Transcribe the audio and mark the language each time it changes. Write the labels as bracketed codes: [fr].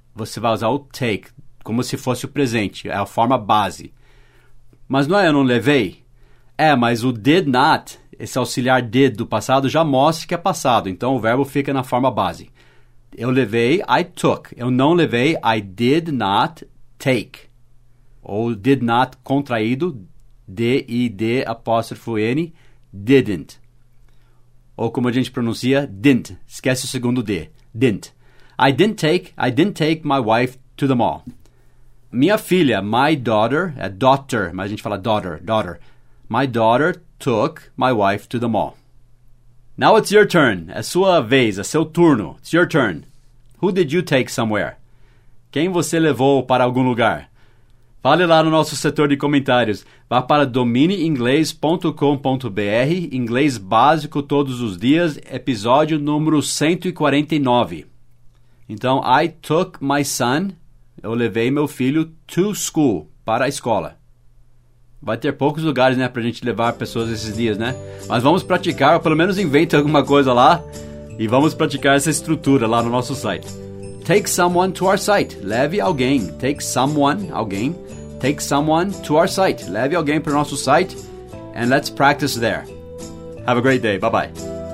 [pt] Você vai usar o take como se fosse o presente. É a forma base. Mas não é eu não levei? É, mas o did not, esse auxiliar did do passado, já mostra que é passado. Então, o verbo fica na forma base. Eu levei, [en] I took. [pt] Eu não levei, [en] I did not take. [pt] Ou did not contraído, D-I-D apóstrofo N, didn't. Ou como a gente pronuncia, didn't. Esquece o segundo D, didn't. [en] I didn't take my wife to the mall. [pt] Minha filha, [en] my daughter, [pt] é [en] daughter, [pt] mas a gente fala [en] daughter, daughter. My daughter took my wife to the mall. Now it's your turn. [pt] É sua vez, é seu turno. [en] It's your turn. Who did you take somewhere? [pt] Quem você levou para algum lugar? Fale lá no nosso setor de comentários. Vá para dominiinglês.com.br. Inglês básico todos os dias. Episódio número 149. Então, [en] I took my son. [pt] Eu levei meu filho [en] to school. [pt] Para a escola. Vai ter poucos lugares, né, pra gente levar pessoas esses dias, né? Mas vamos praticar, ou pelo menos invente alguma coisa lá. E vamos praticar essa estrutura lá no nosso site. [en] Take someone to our site. [pt] Leve alguém. [en] Take someone, alguém. Take someone to our site. [pt] Leve alguém pro nosso site. [en] And let's practice there. Have a great day. Bye-bye.